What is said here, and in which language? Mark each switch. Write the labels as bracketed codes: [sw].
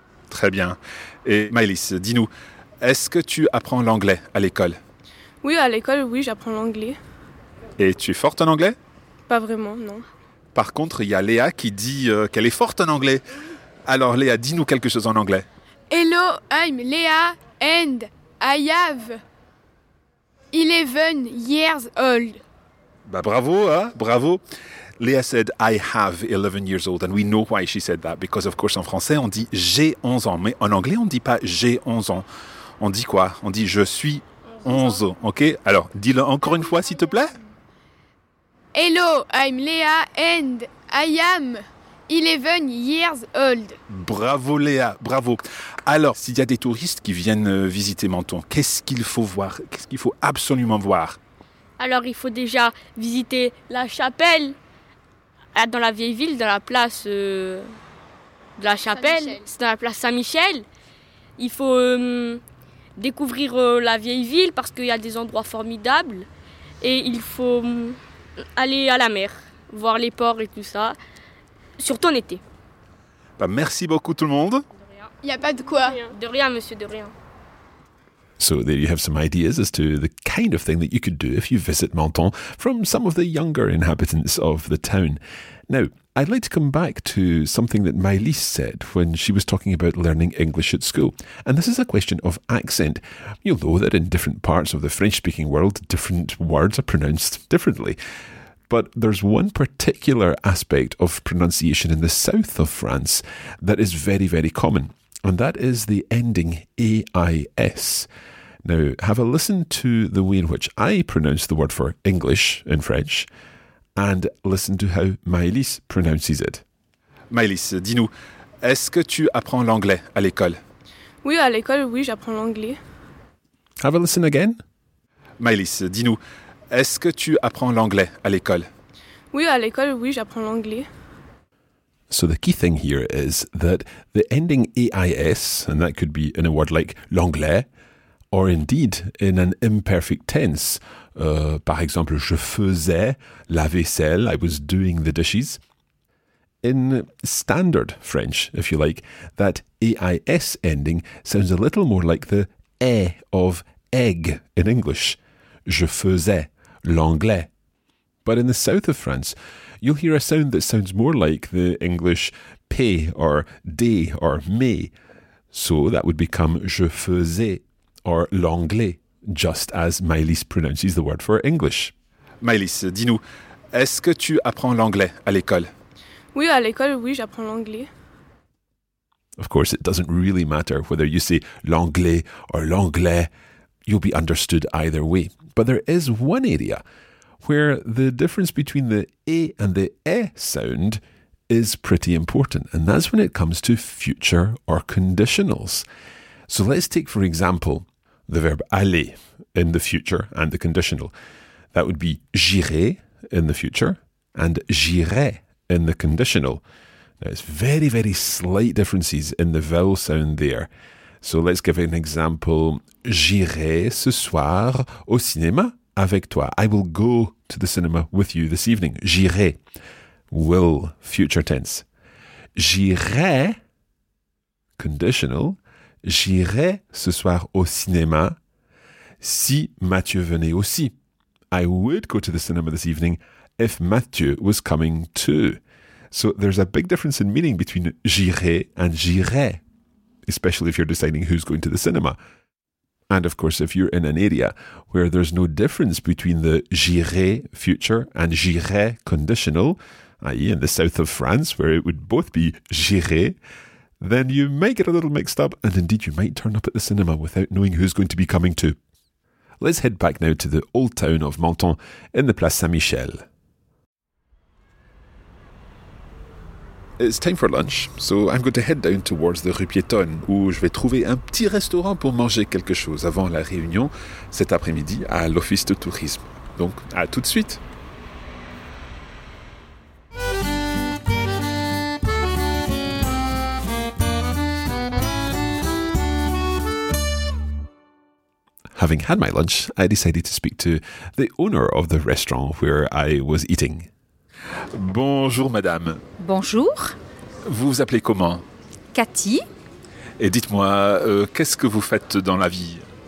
[fr] Très bien. Et Maëlys, dis-nous, est-ce que tu apprends l'anglais à l'école? Oui, à l'école, oui, j'apprends l'anglais. Et tu es forte en anglais? Pas vraiment, non. Par contre, il y a Léa qui dit qu'elle est forte en anglais. Alors Léa, dis-nous quelque chose en anglais. [en] Hello, I'm Léa and I have 11 years old. [fr] Bah bravo, hein, bravo. [en] Léa said, I have 11 years old. And we know why she said that. Because of course, [fr] en français, on dit j'ai 11 ans. Mais en anglais, on ne dit pas j'ai 11 ans. On dit quoi? On dit je suis 11. Ok, alors dis-le encore une fois, s'il te plaît. [en] Hello, I'm Léa and I am 11 years old. [fr] Bravo Léa, bravo. Alors, s'il y a des touristes qui viennent visiter Menton, qu'est-ce qu'il faut voir? Qu'est-ce qu'il faut absolument voir? Alors, il faut déjà visiter la chapelle dans la vieille ville, dans la place de la chapelle. Saint-Michel. C'est dans la place Saint-Michel. Il faut découvrir la vieille ville parce qu'il y a des endroits formidables. Et il faut... aller à la mer, voir les ports et tout ça, surtout en été. Bah merci beaucoup tout le monde. Il n'y a pas de quoi. De rien, monsieur, de rien. [en] So there you have some ideas as to the kind of thing that you could do if you visit Menton from some of the younger inhabitants of the town. Now, I'd like to come back to something that Maëlys said when she was talking about learning English at school. And this is a question of accent. You'll know that in different parts of the French-speaking world, different words are pronounced differently. But there's one particular aspect of pronunciation in the south of France that is very, very common. And that is the ending A-I-S. Now, have a listen to the way in which I pronounce the word for English in French, and listen to how Maëlys pronounces it. [fr] Maëlys, dis-nous, est-ce que tu apprends l'anglais à l'école? Oui, à l'école, oui, j'apprends l'anglais. [en] Have a listen again. [fr] Maëlys, dis-nous, est-ce que tu apprends l'anglais à l'école? Oui, à l'école, oui, j'apprends l'anglais. [en] So the key thing here is that the ending AIS, and that could be in a word like l'anglais, or indeed in an imperfect tense. [fr] Par exemple, je faisais la vaisselle, [en] I was doing the dishes. In standard French, if you like, that AIS ending sounds a little more like the E of egg in English. [fr] Je faisais l'anglais. [en] But in the south of France, you'll hear a sound that sounds more like the English pay or day or may. So that would become [fr] je faisais [en] or l'anglais, just as Maëlys pronounces the word for English. [fr] Maëlys, dis-nous, est-ce que tu apprends l'anglais à l'école? Oui, à l'école, oui, j'apprends l'anglais. [en] Of course, it doesn't really matter whether you say l'anglais or l'anglais. You'll be understood either way. But there is one area where the difference between the E and the E sound is pretty important, and that's when it comes to future or conditionals. So let's take, for example, the verb aller in the future and the conditional. That would be j'irai in the future and j'irai in the conditional. Now, it's very, very slight differences in the vowel sound there. So let's give an example. [fr] J'irai ce soir au cinéma avec toi. [en] I will go to the cinema with you this evening. [fr] J'irai. [en] Will, future tense. J'irai, conditional. [fr] J'irai ce soir au cinéma si Mathieu venait aussi. [en] I would go to the cinema this evening if Mathieu was coming too. So there's a big difference in meaning between j'irai and j'irai, especially if you're deciding who's going to the cinema. And of course, if you're in an area where there's no difference between the j'irai future and j'irai conditional, i.e. in the south of France, where it would both be j'irai, then you might get a little mixed up, and indeed you might turn up at the cinema without knowing who's going to be coming too. Let's head back now to the old town of Menton in the Place Saint-Michel. It's time for lunch, so I'm going to head down towards the Rue Piétonne, [fr] où je vais trouver un petit restaurant pour manger quelque chose avant la réunion cet après-midi à l'office de tourisme. Donc, à tout de suite! [en] Having had my lunch, I decided to speak to the owner of the restaurant where I was eating. [fr] Bonjour, madame. Bonjour. Vous vous appelez comment? Cathy. Et dites-moi, qu'est-ce que vous faites dans la vie?